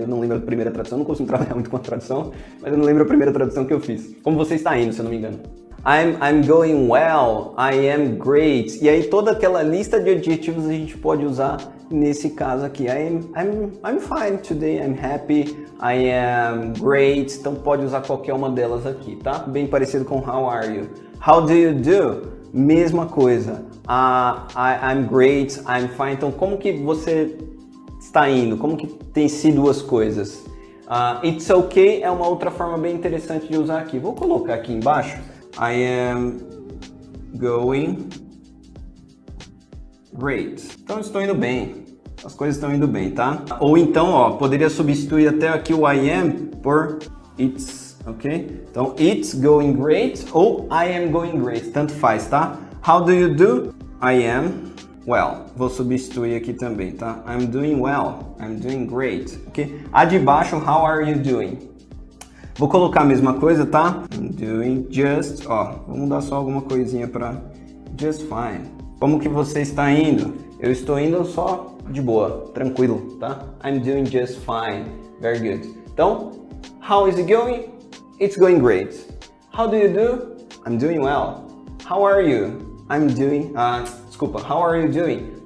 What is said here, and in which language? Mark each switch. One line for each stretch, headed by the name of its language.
Portuguese: Eu não lembro a primeira tradução, não costumo trabalhar muito com a tradução, mas eu não lembro a primeira tradução que eu fiz. Como você está indo, se eu não me engano?
English: I'm going well, I am great.
Portuguese: E aí toda aquela lista de adjetivos a gente pode usar nesse caso aqui.
English: I'm fine today, I'm happy, I am great.
Portuguese: Então pode usar qualquer uma delas aqui, tá? Bem parecido com
English: how are you. How do you do?
Portuguese: Mesma coisa.
English: I'm great, I'm fine.
Portuguese: Então como que você está indo? Como que tem sido as coisas?
English: It's okay
Portuguese: é uma outra forma bem interessante de usar aqui. Vou colocar aqui embaixo.
English: I am going great.
Portuguese: Então eu estou indo bem. As coisas estão indo bem, tá? Ou então, ó, poderia substituir até aqui o I am por it's, ok?
English: Então it's going great ou I am going great.
Portuguese: Tanto faz, tá?
English: How do you do? I am well.
Portuguese: Vou substituir aqui também, tá?
English: I'm doing well. I'm doing great. Ok?
Portuguese: A de baixo,
English: how are you doing?
Portuguese: Vou colocar a mesma coisa, tá?
English: I'm doing just,
Portuguese: ó, vamos dar só alguma coisinha pra
English: just fine.
Portuguese: Como que você está indo? Eu estou indo só de boa, tranquilo, tá?
English: I'm doing just fine, very good. Então, how is it going? It's going great. How do you do? I'm doing well. How are you? I'm doing, desculpa, how are you doing?